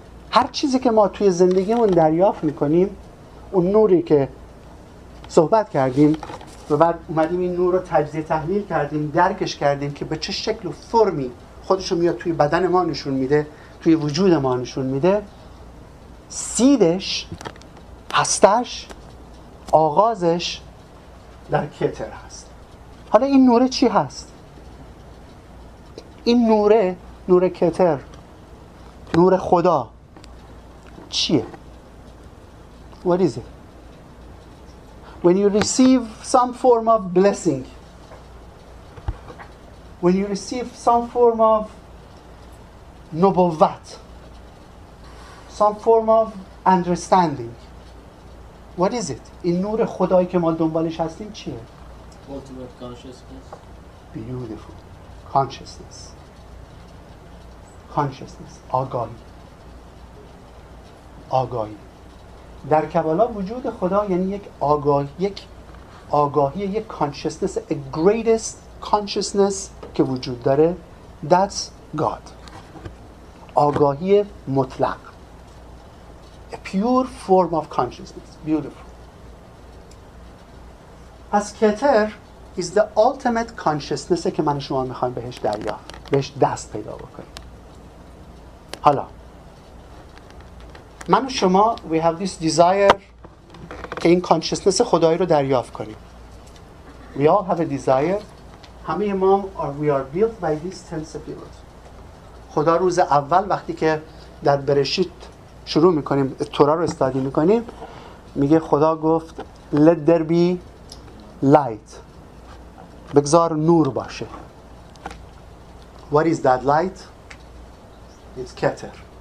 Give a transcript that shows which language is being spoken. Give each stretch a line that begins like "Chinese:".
Persian: هر چیزی که ما توی زندگیمون دریافت میکنیم، اون نوری که صحبت کردیم و بعد اومدیم این نور رو تجزیه تحلیل کردیم، درکش کردیم که به چه شکل و فرمی خودشو میاد توی بدن ما نشون میده، توی وجود ما نشون میده، سیدش، هستش، آغازش در کتر هست. حالا این نوره چی هست؟ این نوره، نور کتر، نور خدا چیه؟
English: What is it? When you receive some form of blessing, when you receive some form of نبوت، some form of understanding, what is it?
Persian: این نور خدایی که ما دنبالش هستیم چیه؟
English: Ultimate consciousness. Beautiful. Consciousness. Consciousness. آگاهی.
Persian: آگاهی. در کبالا وجود خدا یعنی یک آگاهی، یک آگاهی، یک consciousness.
English: A greatest consciousness
Persian: که وجود داره.
English: That's God.
Persian: آگاهی مطلق.
English: A pure form of consciousness. Beautiful.
Persian: پس کتر
English: is the ultimate consciousness
Persian: که من شما میخوایم بهش دریافت، بهش دست پیدا بکنیم. حالا من و شما
English: we have this desire
Persian: که این consciousness خدایی رو دریافت کنیم.
English: We all have a desire.
Persian: همه ما
English: we are built by this sensibility.
Persian: خدا روز اول وقتی که در برشید شروع میکنیم، تورا رو استادی میکنیم، میگه خدا گفت
English: let there be light.
Persian: بگذار نور باشه.
English: What is that light? It's keter.